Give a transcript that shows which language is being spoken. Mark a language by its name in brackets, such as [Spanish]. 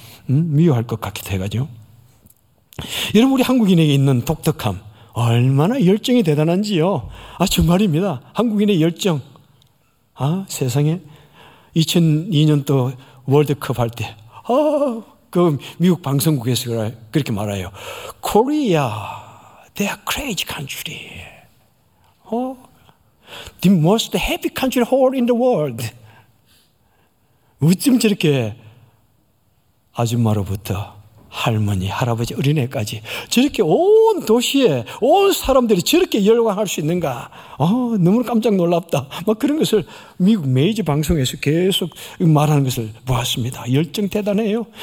[Korean] 미워할 것 같기도 해가지고. 여러분, 우리 한국인에게 있는 독특함, 얼마나 열정이 대단한지요. 아, 정말입니다. 한국인의 열정. 아, 세상에. 2002년도 월드컵 할 때, 그 미국 방송국에서 그렇게 말해요. [English] Korea, they are crazy country. The most happy country hall in the world. [Korean] 어쩜 저렇게 아줌마로부터 할머니, 할아버지, 어린애까지 저렇게 온 도시에 온 사람들이 저렇게 열광할 수 있는가. 너무나 깜짝 놀랍다. 막 그런 것을 미국 메이저 방송에서 계속 말하는 것을 보았습니다. 열정 대단해요.